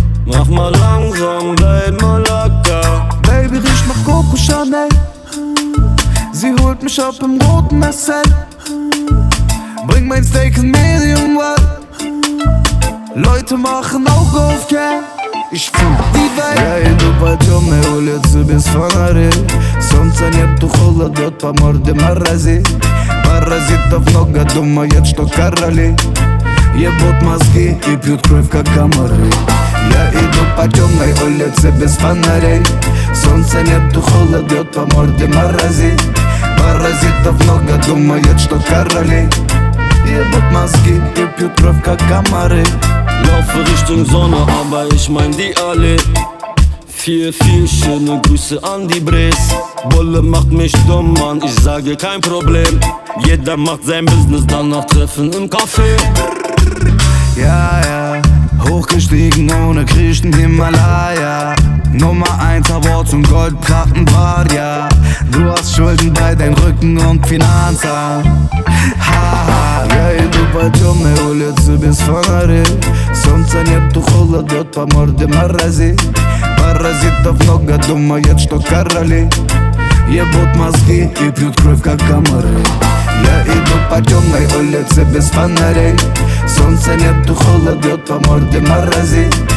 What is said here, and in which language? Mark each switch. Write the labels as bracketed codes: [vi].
[de] Mach mal langsam, bleib mal locker. Baby, riech nach Coco Chanel. Sie holt mich ab im roten Marcel. Bring mein Steak in Medium Well. Leute machen Auge auf, yeah. Ich fühl die Welt. [ru] Я иду по темной улице без фонарей. Солнца нету, холод бьет по морде морози. Паразитов много, думают, что короли ебут мозги и пьют кровь, как комары. Я иду по темной улице без фонарей. Солнца нету, холод бьет по морде морози. Паразитов много, думают, что короли ебут мозги и пьют кровь, как комары. [de] Laufe Richtung Sonne, aber ich mein die alle. Vier, vier schöne Grüße an die Bres. Bolle macht mich dumm, Mann, ich sage kein Problem. Jeder macht sein Business, danach treffen im Café. Ja, ja, hochgestiegen ohne Griechen Himalaya. Nummer 1 Award zum Goldplatten Bar, ja. Du hast Schulden bei dein Rücken und Finanzamt. Ha-ha. [ru] Я иду по темной улице без фонарей. Солнца нету, холод бьет по морде морози. Паразитов много, думают, что короли ебут мозги и пьют кровь, как комары. Я иду по темной улице без фонарей. Солнца нету, холод бьет по морде морози.